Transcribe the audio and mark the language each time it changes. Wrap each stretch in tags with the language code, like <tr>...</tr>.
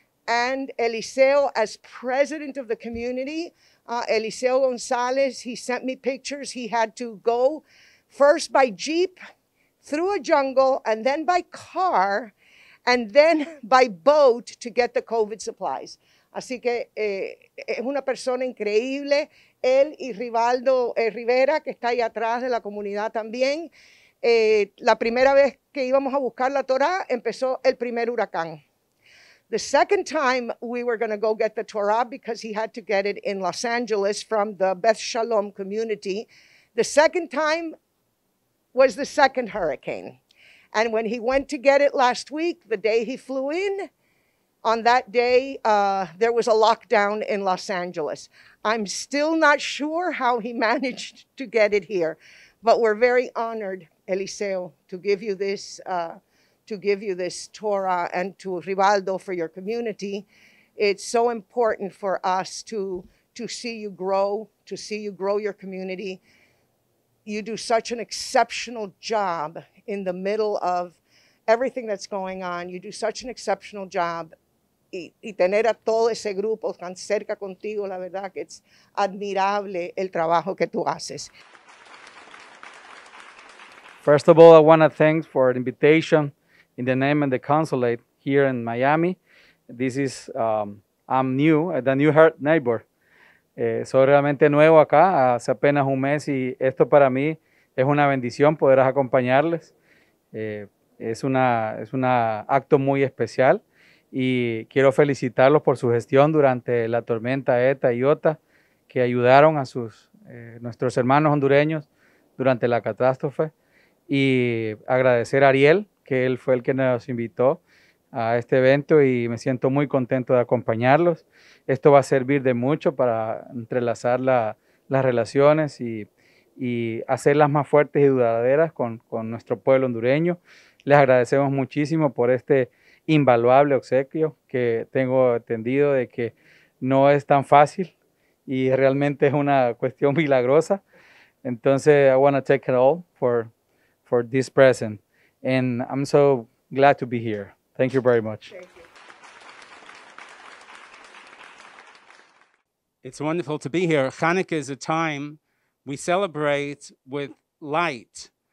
<en>And Eliseo, as president of the community, Eliseo Gonzalez, he sent me pictures. He had to go first by Jeep through a jungle and then by car and then by boat to get the COVID supplies.</en> <es>Así que es una persona increíble, él y Rivaldo Rivera, que está ahí atrás de la comunidad también. La primera vez que íbamos a buscar la Torah, empezó el primer huracán.</es> <en>The second time we were going to go get the Torah, because he had to get it in Los Angeles from the Beth Shalom community, the second time was the second hurricane. And when he went to get it last week, the day he flew in, on that day, there was a lockdown in Los Angeles. I'm still not sure how he managed to get it here, but we're very honored, Eliseo, to give you this Torah, and to Rivaldo for your community. It's so important for us to see you grow, to see you grow your community. You do such an exceptional job in the middle of everything that's going on. You do such an exceptional job.</en> <es>Y tener a todo ese grupo tan cerca contigo, la verdad que es admirable el trabajo que tú haces.</es> <en>First of all, I want to thank for an invitation in the name of the consulate here in Miami. This is, I'm new, the new heart neighbor.</en> <es>Soy realmente nuevo acá, hace apenas un mes, y esto para mí es una bendición poder acompañarles. Es un acto muy especial. Y quiero felicitarlos por su gestión durante la tormenta Eta y Iota, que ayudaron a sus nuestros hermanos hondureños durante la catástrofe. Y agradecer a Ariel, que él fue el que nos invitó a este evento, y me siento muy contento de acompañarlos. Esto va a servir de mucho para entrelazar las relaciones y hacerlas más fuertes y duraderas con nuestro pueblo hondureño. Les agradecemos muchísimo por este invaluable obsequio, que tengo entendido de que no es tan fácil y realmente es una cuestión milagrosa.</es> <en>Entonces, I want to take it all for this present, and I'm so glad to be here. Thank you very much. It's wonderful to be here. Hanukkah is a time we celebrate with light.</en>